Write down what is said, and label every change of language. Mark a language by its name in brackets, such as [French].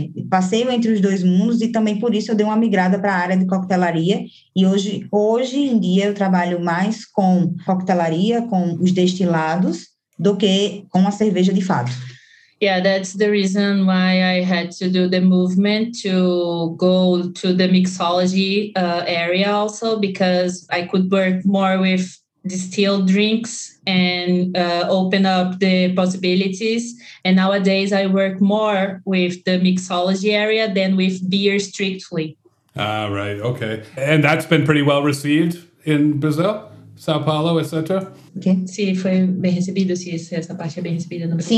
[Portuguese] Passeio entre os dois mundos, e também por isso eu dei uma migrada para a área de coquetelaria. E hoje em dia eu trabalho mais com coquetelaria, com os destilados, do que com a cerveja de fato. [English] Yeah, that's the reason why I had to do the movement to go to the mixology area also, because I could work more with distilled drinks and open up the possibilities. And nowadays I work more with the mixology area than with beer strictly. Ah, right. Okay. And that's been pretty well received in Brazil, São Paulo, etc. Okay. [Portuguese] Sim, foi bem recebido, sim, essa parte é bem recebida no Brasil.